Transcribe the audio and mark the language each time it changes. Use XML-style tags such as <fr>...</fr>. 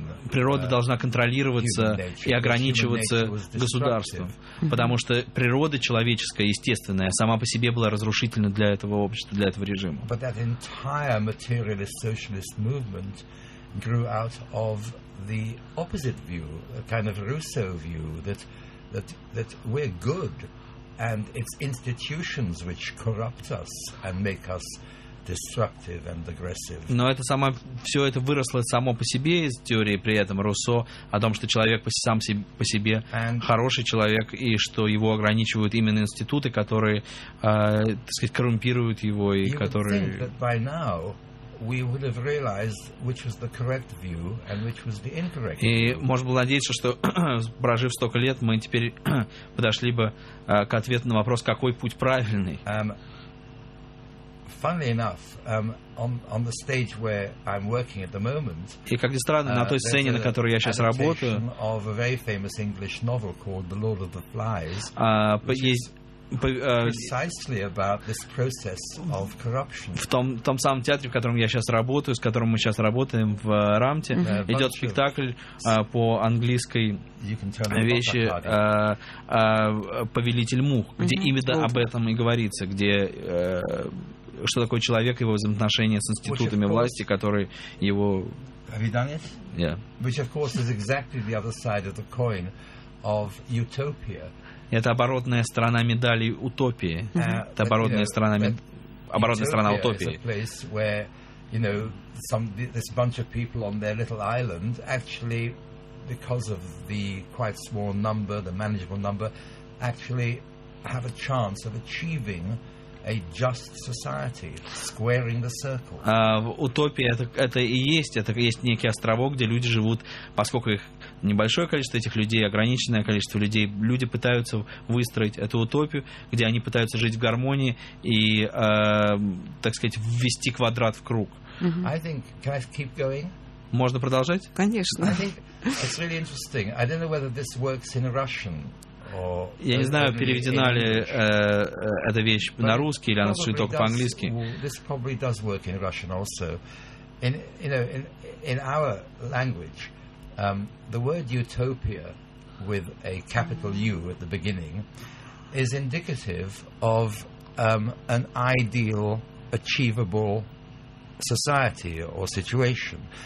<ru>Природа должна контролироваться и ограничиваться государством. Потому что природа человеческая, естественная, сама по себе была разрушительна для этого общества, для этого режима.</ru> <en>But that entire materialist socialist movement grew out of the opposite view, a kind of Rousseau view, that we're good, and it's institutions which corrupt us and make us destructive and aggressive.</en> <ru>Но это само, все это выросло само по себе из теории при этом Руссо о том, что человек сам по себе хороший человек, и что его ограничивают именно институты, которые, так сказать, коррумпируют его, и которые...</ru> <en>We would have realized which was the correct view and which was the incorrect view.</en> <ru>И можно было надеяться, что прожив столько лет, мы теперь подошли бы к ответу на вопрос, какой путь правильный.</ru> <en>Funnily enough, on the stage where I'm working at the moment.</en> <ru>И как ни странно, на той сцене, на которой я сейчас работаю,</ru> <en>of a very famous English novel called The Lord of the Flies. Precisely about this process of corruption.</en> <ru>В том самом театре, в котором я сейчас работаю, с которым мы сейчас работаем в Рамте, идет спектакль по английской вещи «Повелитель мух», где именно об этом и говорится, где что такое человек, его взаимоотношения с институтами власти, которые его...</ru> <en>Have you done it? Yeah. Which, of course, is exactly the other side of the coin of utopia.</en> <ru>Это оборотная сторона медали утопии. Это оборотная сторона утопии.</ru> <en>It's a place where, you know, this bunch of people on their little island, actually, because of the quite small number, the manageable number, actually have a chance of achieving a just society, squaring the circle.</en> <ru>Утопия это и есть некий островок, где люди живут, поскольку их небольшое количество этих людей, ограниченное количество людей, люди пытаются выстроить эту утопию, где они пытаются жить в гармонии и, так сказать, ввести квадрат в круг.</ru> <en>I think, can I keep going?</en> <ru>Можно продолжать? Конечно.</ru> <en>I think it's really interesting. I don't know whether this works in Russian.</en> <ru>Я не знаю, переведена ли эта вещь на русский или она существует только по-английски.</ru> <en>This probably does work in Russian also. In our language, the word utopia with a capital U at the beginning is indicative of an ideal, achievable society or situation.</en>